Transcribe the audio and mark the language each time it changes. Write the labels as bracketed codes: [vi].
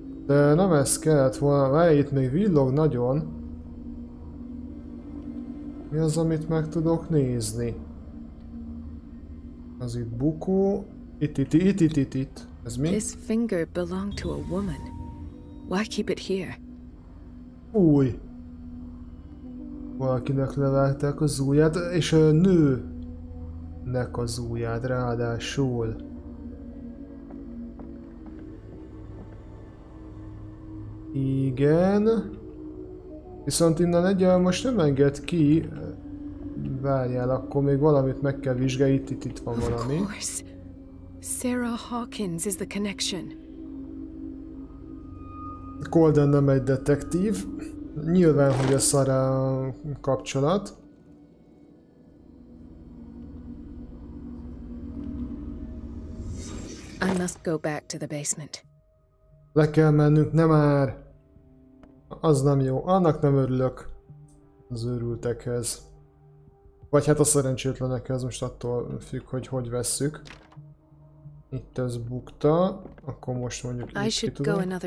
[hu] De nem ez kellett volna, várj, itt még villog nagyon. Mi az, amit meg tudok nézni? Az itt bukó. Itt. Ez mi? [en] This finger belonged to a woman. Why keep it here? [hu] Új. Valakinek levágták az ujját, és a nőnek az ujját ráadásul. Igen. Viszont innen egyel most nem enged ki. Várjál, akkor még valamit meg kell vizsgálni, itt van valami. [en] Sarah Hawkins is the connection. [hu] Colden nem egy detektív. Nyilván, hogy a Sarah kapcsolat. [en] I must go back to the basement. [hu] Le kell mennünk, nem már. Az nem jó, annak nem örülök. Az őrültekhez. Vagy hát a szerencsétlenekhez, most attól függ, hogy hogy vesszük. Itt ez bukta, akkor most mondjuk itt ki tudom.